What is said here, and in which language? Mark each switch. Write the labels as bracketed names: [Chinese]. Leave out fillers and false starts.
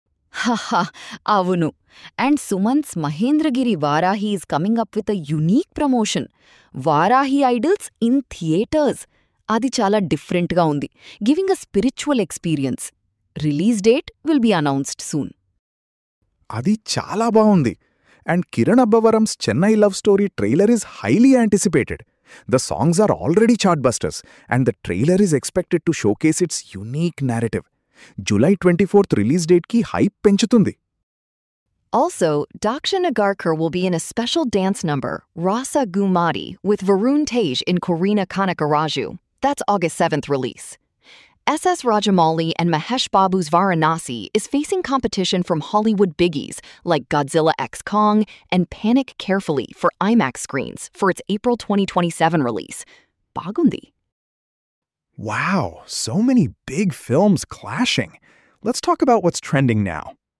[Telugu] Haha, avunu. [English] And Sumant's Mahendragiri Varahi is coming up with a unique promotion. Varahi Idols in theaters. [Telugu] Adi chala different ga undi, [English] giving a spiritual experience. Release date will be announced soon. [Telugu] అది చాలా బాగుంది. [English] And Kiran Abbavaram's Chennai love story trailer is highly anticipated. The songs are already chartbusters and the trailer is expected to showcase its unique narrative. [Telugu] July 24th release డేట్కి hype పెంచుతుంది. [English] Also, Daksha Nagarkar will be in a special dance number రాసా గుమారి with Varun Tej in Korean Kanaka Raju. That's August 7th release. S.S. Rajamouli and Mahesh Babu's Varanasi is facing competition from Hollywood biggies like Godzilla X Kong and Panic Carefully for IMAX screens for its April 2027 release. [Telugu] Bagundi. [English] Wow, so many big films clashing. Let's talk about what's trending now.